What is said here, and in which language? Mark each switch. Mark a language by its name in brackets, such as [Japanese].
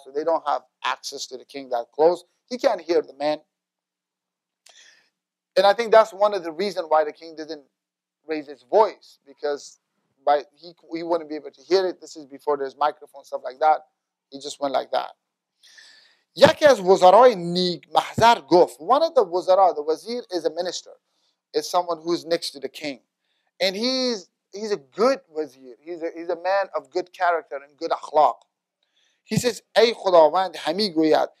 [English] So they don't have access to the king that close. He can't hear the man. And I think that's one of the reasons why the king didn't raise his voice, because he wouldn't be able to hear it. This is before there's microphone, stuff like that. He just went like that. [Persian] یکی از وزرای نیک محضر گفت. [English] One of the wuzara, the wazir, is a minister. It's someone who's next to the king. And he's a good wazir. He's a man of good character and good akhlaq. He says, [Persian] ای خداوند همی گوید.